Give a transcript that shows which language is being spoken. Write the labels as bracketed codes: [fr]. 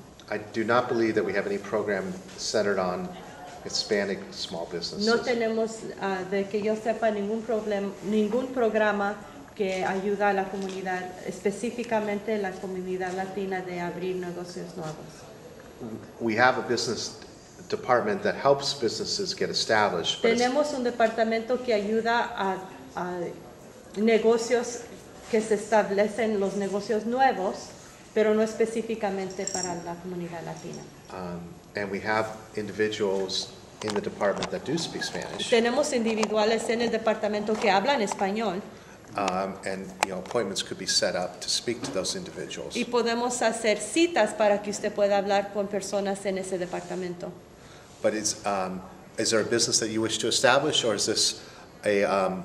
[en] I do not believe that we have any program centered on Hispanic small businesses. [es] No tenemos de que yo sepa ningún programa que ayuda a la comunidad, específicamente la comunidad latina, de abrir negocios nuevos. [en] We have a business department that helps businesses get established. [es] Tenemos un departamento que ayuda a negocios que se establecen, los negocios nuevos, pero no específicamente para la comunidad latina. [en] And we have individuals in the department that do speak Spanish. [es] Tenemos individuales en el departamento que hablan español. [en] And you know, appointments could be set up to speak to those individuals. [es] Y podemos hacer citas para que usted pueda hablar con personas en ese departamento. [en] But is there a business that you wish to establish, or is this a